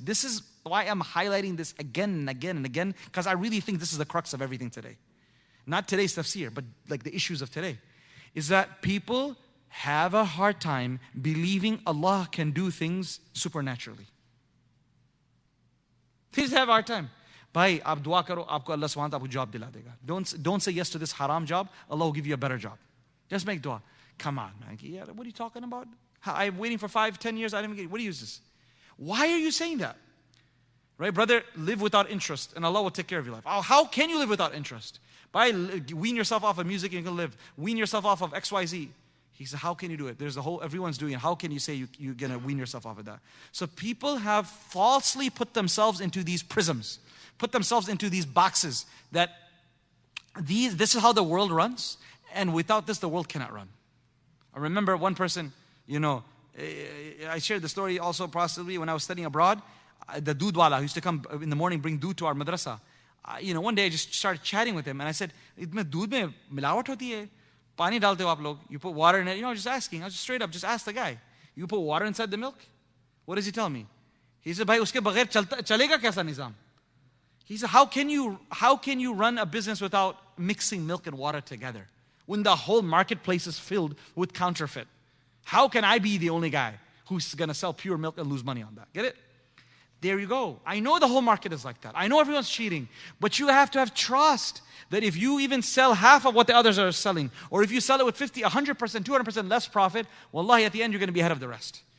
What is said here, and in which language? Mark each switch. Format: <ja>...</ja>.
<en>This is why I'm highlighting this again and again and again, because I really think this is the crux of everything today. Not today's tafsir, but like the issues of today. Is that people have a hard time believing Allah can do things supernaturally. They just have a hard time.</en> <ur>بھائی، آپ دعا کرو، آپکو اللہ سبحانہ و تعالیٰ job دلا دے گا.</ur> <en>Don't say yes to this haram job. Allah will give you a better job. Just make dua. Come on, man. Yeah, what are you talking about? I'm waiting for 5-10 years. I didn't get it. What do you use this? Why are you saying that? Right, brother, live without interest and Allah will take care of your life. How can you live without interest? By wean yourself off of music and you can live. Wean yourself off of XYZ. He said, how can you do it? Everyone's doing it. How can you say you're going to wean yourself off of that? So people have falsely put themselves into these prisms, put themselves into these boxes that this is how the world runs. And without this, the world cannot run. I remember one person, you know, I shared the story also possibly when I was studying abroad. The dudwala used to come in the morning, bring dud to our madrasa. You know, one day I just started chatting with him and I said,</en> <ur>"اتمے دودھ میں ملاوٹ ہوتی ہے? پانی ڈالتے ہو آپ لوگ?</ur> <en>You put water in it?" You know, just asking. I was just straight up, just asked the guy. You put water inside the milk? What does he tell me? He said,</en> <ur>"بھائی، اسکے بغیر چلے گا کیسا نظام?"</ur> <en>He said, "How can you run a business without mixing milk and water together? When the whole marketplace is filled with counterfeit, how can I be the only guy who's going to sell pure milk and lose money on that?" Get it? There you go. I know the whole market is like that. I know everyone's cheating. But you have to have trust that if you even sell half of what the others are selling, or if you sell it with 50, 100%, 200% less profit, wallahi, at the end, you're going to be ahead of the rest.</en>